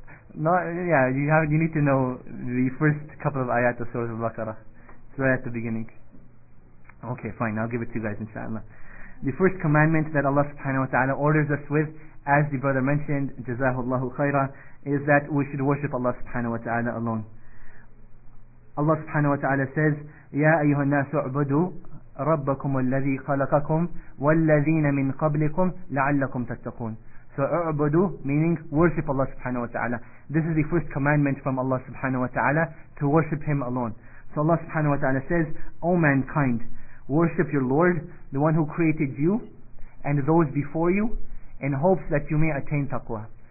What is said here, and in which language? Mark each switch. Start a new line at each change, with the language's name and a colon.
English: You need to know the first couple of ayat of Surah Al-Baqarah. It's right at the beginning. Okay, fine, I'll give it to you guys inshaAllah. The first commandment that Allah subhanahu wa ta'ala orders us with, as the brother mentioned, Jazahullahu khaira, is that we should worship Allah subhanahu wa ta'ala alone.
Arabic: Allah subhanahu wa ta'ala says, يَا أَيُّهَا النَّاسُ اعْبُدُوا رَبَّكُمُ الَّذِي خَلَقَكُمْ وَالَّذِينَ مِنْ قَبْلِكُمْ لَعَلَّكُمْ تَتَّقُونَ.
English: So اعْبُدُوا meaning worship Allah subhanahu wa ta'ala. This is the first commandment from Allah subhanahu wa ta'ala, to worship Him alone. So Allah subhanahu wa ta'ala says, O mankind, worship your Lord, the one who created you and those before you, in hopes that you may attain taqwa.